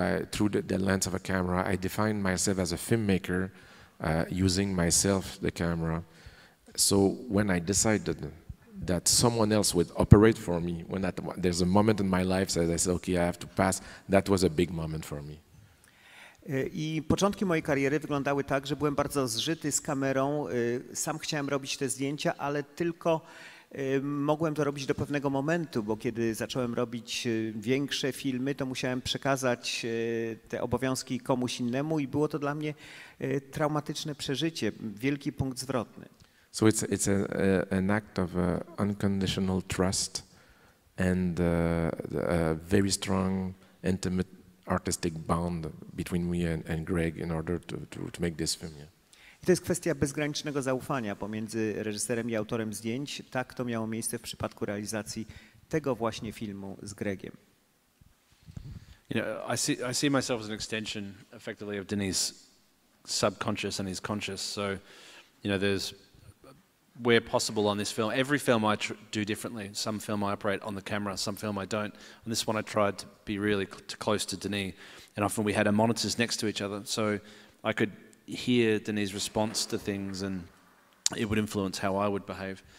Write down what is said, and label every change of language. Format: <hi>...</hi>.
<en>Through the lens of a camera, I define myself as a filmmaker using myself, the camera. So when I decided that someone else would operate for me, there's a moment in my life that I said, okay, I have to pass, that was a big moment for me.</en> <pl>I początki mojej kariery wyglądały tak, że byłem bardzo zżyty z kamerą, sam chciałem robić te zdjęcia, ale tylko mogłem to robić do pewnego momentu, bo kiedy zacząłem robić większe filmy, to musiałem przekazać te obowiązki komuś innemu I było to dla mnie traumatyczne przeżycie, wielki punkt zwrotny.</pl> <en>So it's an act of unconditional trust and a very strong intimate artistic bond between me and Greig in order to make this film. Yeah.</en> <pl>To jest kwestia bezgranicznego zaufania pomiędzy reżyserem I autorem zdjęć. Tak to miało miejsce w przypadku realizacji tego właśnie filmu z Greigiem.</pl> <en>You know, I see myself as an extension effectively of Denis's subconscious and his conscious. So, you know, there's where possible on this film. Every film I do differently. Some film I operate on the camera, some film I don't. On this one I tried to be really close to Denis, and often we had our monitors next to each other, so I could hear Denis's response to things and it would influence how I would behave.</en>